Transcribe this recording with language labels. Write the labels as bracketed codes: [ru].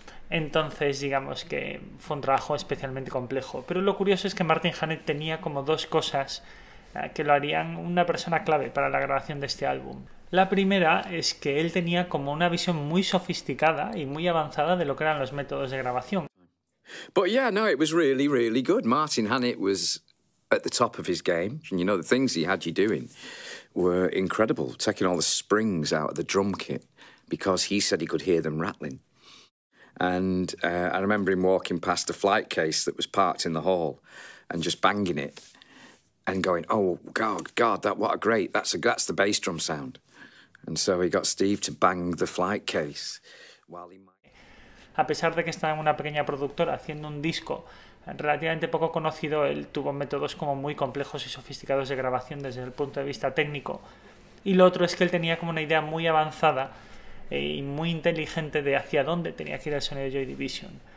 [es] Entonces digamos que fue un trabajo especialmente complejo. Pero lo curioso es que Martin Hannett tenía como dos cosas que lo harían una persona clave para la grabación de este álbum. La primera es que él tenía como una visión muy sofisticada y muy avanzada de lo que eran los métodos de grabación. [en] But yeah, no, it was really, really good. Martin Hannett was at the top of his game, and you know the things he had you doing were incredible, taking all the springs out of the drum kit because he said he could hear them rattling. And I remember him walking past a flight case that was parked in the hall and just banging it and going, oh god, that's the bass drum sound. And so he got Steve to bang the flight case while he... [es] A pesar de que estaba en una pequeña productora haciendo un disco relativamente poco conocido, él tuvo métodos como muy complejos y sofisticados de grabación desde el punto de vista técnico. Y lo otro es que él tenía como una idea muy avanzada y muy inteligente de hacia dónde tenía que ir el sonido de Joy Division.